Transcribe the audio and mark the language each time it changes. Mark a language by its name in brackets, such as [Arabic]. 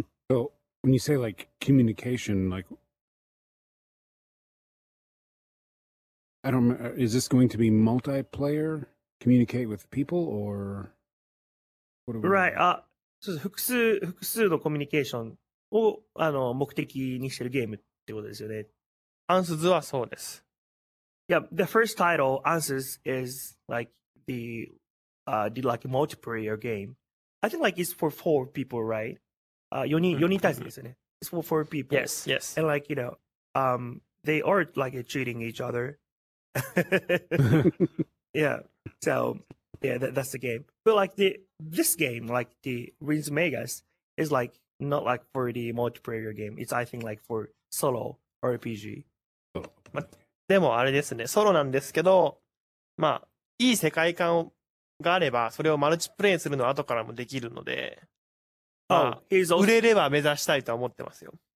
[English] So when you say like communication, like I don't remember, is this going to be multiplayer? Communicate with people or what? Right. [Japanese] そうです。複数のコミュニケーションを目的にしてるゲームってことですよね。アンスズはそうです。 [English] Yeah, the first title, Ansys, is like the like multiplayer game. I think like it's for four people, right? [Japanese] 4人対戦ですよね。 [English] It's for four people. Yes, yes. And like, you know, they are like cheating each other. Yeah. So, yeah, that's the game. But like this game, like the Ruins of Magus, is like not like for the multiplayer game. It's I think like for solo RPG. [Japanese] でもあれですね、ソロなんですけど、 まあ、 いい世界観があれば、 それをマルチプレイするの後からもできるので、 売れれば目指したいと思ってますよ。